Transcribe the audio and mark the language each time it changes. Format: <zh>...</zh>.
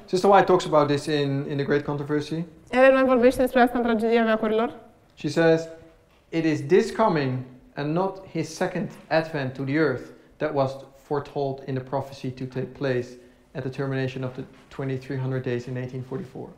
<en>Sister White talks about this in the Great Controversy.</en> <ro>Ellen White vorbește despre asta în Tragedia Veacurilor.</ro> <en>She says it is this coming and not his second advent to the earth that was foretold in the prophecy to take place at the termination of the 2300 days in 1844.</en>